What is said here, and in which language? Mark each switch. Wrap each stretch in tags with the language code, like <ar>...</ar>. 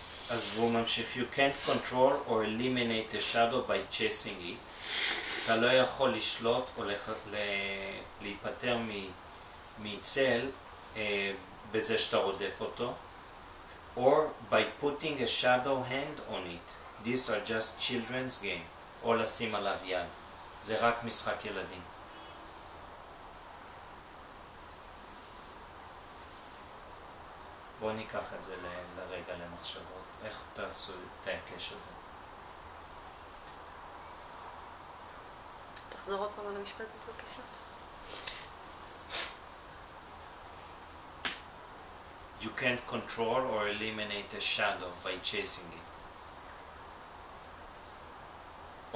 <he>אז הוא ממשיך,</he> <en>you can't control or eliminate the shadow by chasing it.</en> <he>אתה לא יכול לשלוט או להיפטר מצל בזה שאתה רודף אותו.</he> <en>Or by putting a shadow hand on it. These are just children's game.</en> <he>או לשים עליו יד. זה רק משחק ילדים. בוא ניקח את זה לרגע למחשבות. איך תעשו את ההקש הזה? תחזור עוד פעם על המשפט בבקשה.</he> <en>You can't control or eliminate a shadow by chasing it.</en>